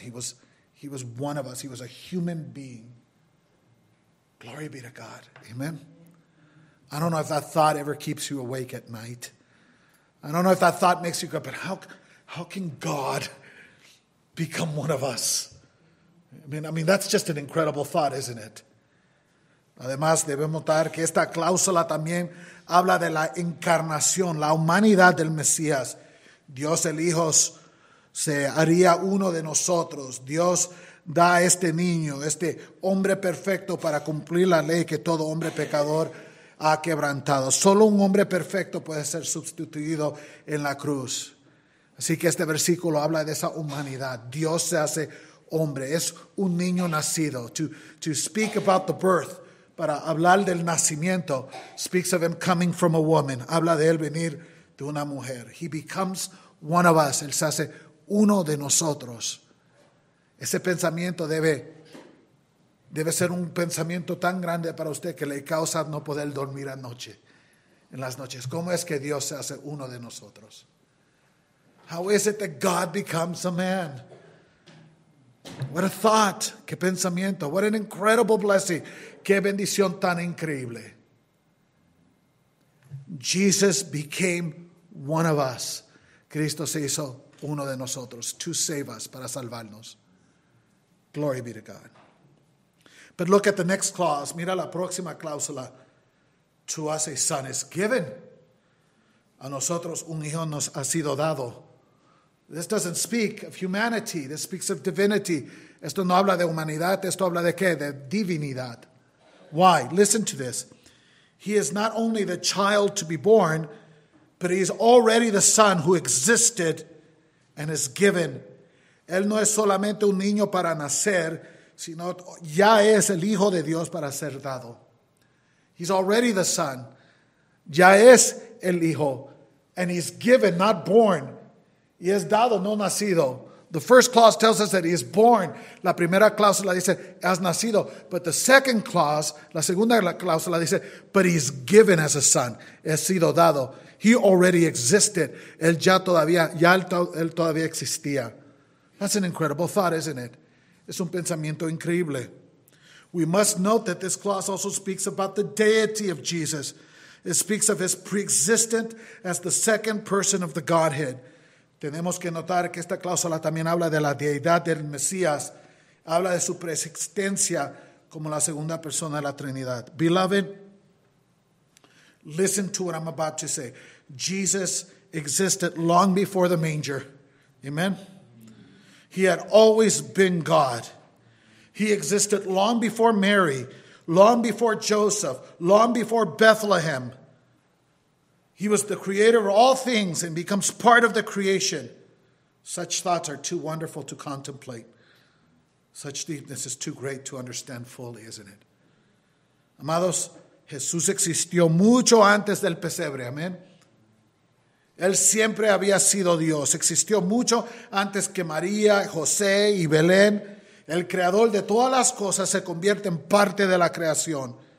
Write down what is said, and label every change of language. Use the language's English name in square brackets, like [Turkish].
[English] He was one of us. He was a human being. Glory be to God. Amen. I don't know if that thought ever keeps you awake at night. I don't know if that thought makes you go, but how can God become one of us? I mean, that's just an incredible thought, isn't it? [Spanish] Además, debemos notar que esta cláusula también habla de la encarnación, la humanidad del Mesías. Dios el Hijo se haría uno de nosotros. Dios da a este niño, este hombre perfecto para cumplir la ley que todo hombre pecador ha quebrantado. Solo un hombre perfecto puede ser sustituido en la cruz. Así que este versículo habla de esa humanidad. Dios se hace hombre, es un niño nacido. [English] To speak about the birth. [Spanish] Para hablar del nacimiento, [English] speaks of him coming from a woman. [Spanish] Habla de él venir de una mujer. [English] He becomes one of us. [Spanish] Él se hace uno de nosotros. Ese pensamiento debe ser un pensamiento tan grande para usted que le causa no poder dormir anoche, en las noches. ¿Cómo es que Dios se hace uno de nosotros? [English] How is it that God becomes a man? What a thought, [Spanish] qué pensamiento, [English] what an incredible blessing, [Spanish] qué bendición tan increíble. [English] Jesus became one of us. [Spanish] Cristo se hizo uno de nosotros, [English] to save us, [Spanish] para salvarnos. [English] Glory be to God. But look at the next clause, [Spanish] mira la próxima cláusula. [English] To us a son is given. [Spanish] A nosotros un hijo nos ha sido dado. [English] This doesn't speak of humanity. This speaks of divinity. [Spanish] Esto no habla de humanidad. Esto habla de qué? De divinidad. [English] Why? Listen to this. He is not only the child to be born, but he is already the son who existed and is given. [Spanish] Él no es solamente un niño para nacer, sino ya es el hijo de Dios para ser dado. [English] He's already the son. [Spanish] Ya es el hijo. [English] And he's given, not born. [Spanish] Y es dado, no nacido. [English] The first clause tells us that he is born. [Spanish] La primera cláusula dice, has nacido. [English] But the second clause, [Spanish] la segunda cláusula dice, [English] but he is given as a son. [Spanish] Es sido dado. [English] He already existed. [Spanish] Él todavía existía. [English] That's an incredible thought, isn't it? [Spanish] Es un pensamiento increíble. [English] We must note that this clause also speaks about the deity of Jesus. It speaks of his preexistence as the second person of the Godhead. [Spanish] Tenemos que notar que esta cláusula también habla de la deidad del Mesías. Habla de su preexistencia como la segunda persona de la Trinidad. [English] Beloved, listen to what I'm about to say. Jesus existed long before the manger. Amen? He had always been God. He existed long before Mary, long before Joseph, long before Bethlehem. He was the creator of all things and becomes part of the creation. Such thoughts are too wonderful to contemplate. Such deepness is too great to understand fully, isn't it? [Spanish] Amados, Jesús existió mucho antes del pesebre. Amén. Él siempre había sido Dios. Existió mucho antes que María, José y Belén. El creador de todas las cosas se convierte en parte de la creación.